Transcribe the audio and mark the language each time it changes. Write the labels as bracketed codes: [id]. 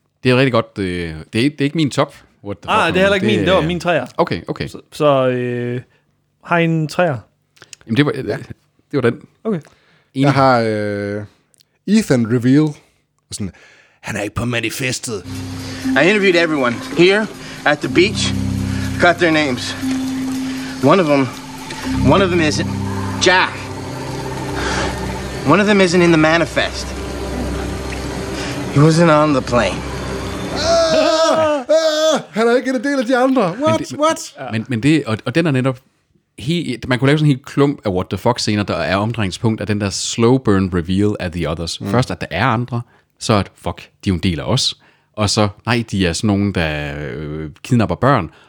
[da] Det er rigtig godt. Det er ikke min top. Det er heller ikke min. Det var min træer. Okay. Så har I en træer? Jamen, det var, ja. Det var den. Okay. Jeg har Ethan Reveal. Sådan, han er ikke på manifestet. [en] I interviewed everyone here at the beach. Got their names. One of them isn't Jack. One of them isn't in the manifest. He wasn't on the plane. [da] Han er ikke en del af de andre. [en] What? [da] Men den er netop... man kunne lave sådan en helt klump af [en] what the fuck [da] scener, der er omdrejningspunkt af den der [en] slow burn reveal [da] af the others. Mm. Først, at der er andre, så at fuck, de er jo en del af os. Og så, nej, de er sådan nogen, der kidnapper børn.